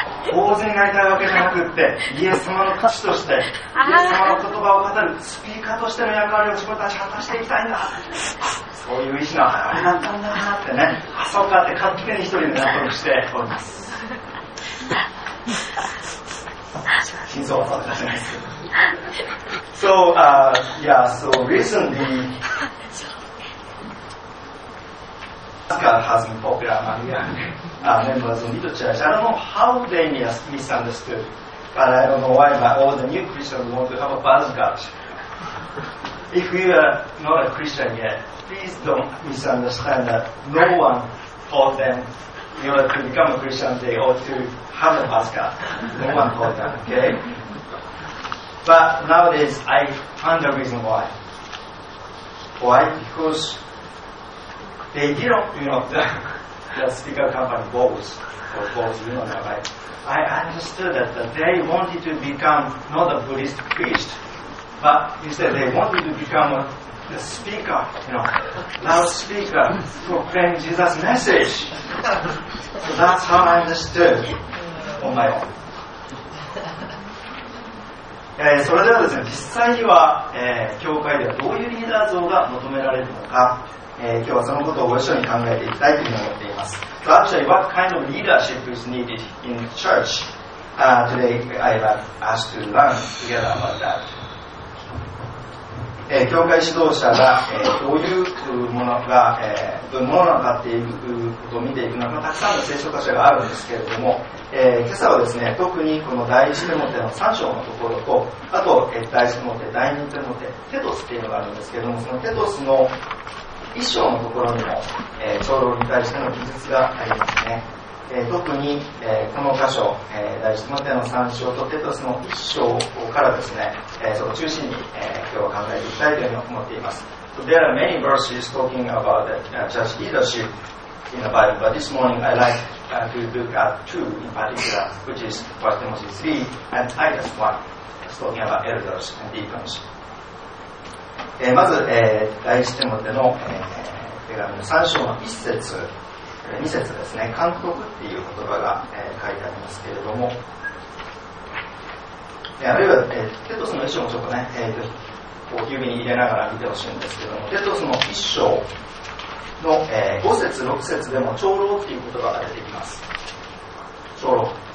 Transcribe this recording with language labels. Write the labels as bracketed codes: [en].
[ja] 坊主になりたいわけじゃなくって、イエス様の口として、イエス様の言葉を語るスピーカーとしての役割を自分たち果たしていきたいんだ、そういう意志の表れだったんだなってね、あ、そうかって勝手に一人で納得しております。心臓は触らせないですけど。 [en] So, yeah, so recently NASCAR has been popular among youngmembers of Mito Church. I don't know how they misunderstood, but I don't know why, but all the new Christians want to have a buzz cut. If you are not a Christian yet, please don't misunderstand that no one told them in order to become a Christian they ought to have a buzz cut. No one told them, okay? But nowadays, I found a reason why. Why? Because they didn't, you know, the speaker company Bose, or Bose, you know that, right? I understood that they wanted to become not a Buddhist priest, but instead they wanted to become a speaker, you know, loudspeaker, proclaim Jesus' message. So that's how I understood on my own. [ja] それではですね、実際には、教会ではどういうリーダー像が求められるのか、今日はそのことをご一緒に考えていきたいというふうに思っています。 [en] So actually, what kind of leadership is needed in church? Today, I have asked to learn together about that. [ja] 教会指導者が、どういうものが、どういうものなのかということを見ていくのか、たくさんの聖書箇所があるんですけれども、今朝はですね、特にこの第一テモテの3章のところと、あと、第一テモテ、第二テモテ、テトスっていうのがあるんですけれども、そのテトスの一章のところにも、長老に対しての記述がありますね。特に、この箇所、第一テモテの3章とテトスの一章からですね、その中心に、今日は考えていきたいというふうに思っています。 [en] So、there are many verses talking about the church leadership in the Bible, but this morning I like to look at two in particular, which is 1 Timothy 3 and Titus 1, talking about elders and deacons. [ja] まず、第一テモテの、手紙の3章の1節、2節ですね、監督っていう言葉が、書いてありますけれども、あるいは、テトスの1章もちょっとね、こう指に入れながら見てほしいんですけども、テトスの1章の、5節、6節でも長老っていう言葉が出てきます。長老。